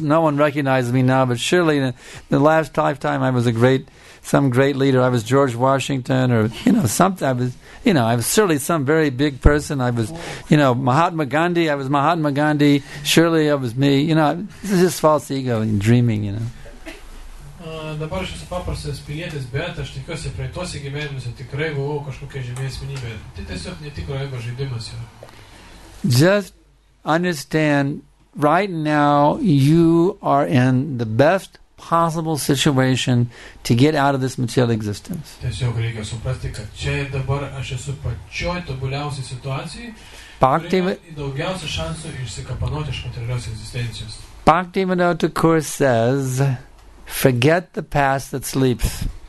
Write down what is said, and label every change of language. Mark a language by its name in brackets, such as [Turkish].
[English] No one recognizes me now, but surely in the last lifetime I was some great leader. I was George Washington or, you know, something. I was surely some very big person. I was, you know, Mahatma Gandhi. I was Mahatma Gandhi. Surely it was me. You know, this is just false ego and dreaming, you know. [Lithuanian] Dabar aš esu paprastas pilietis, bet aš tikiuosi praeituose gyvenimuose tikrai buvau kažkokia žymi asmenybė. Tai tiesiog netikro ego žaidimas yra. [English] Just understand, right now you are in the best possible situation to get out of this material existence. [Lithuanian] Tiesiog reikia suprasti, kad čia ir dabar aš esu pačioj tobuliausiai situacijai, daugiausia šansų išsikapanoti iš materialios egzistencijos. [English] Bhaktivinoda Thakur says, forget the past that sleeps.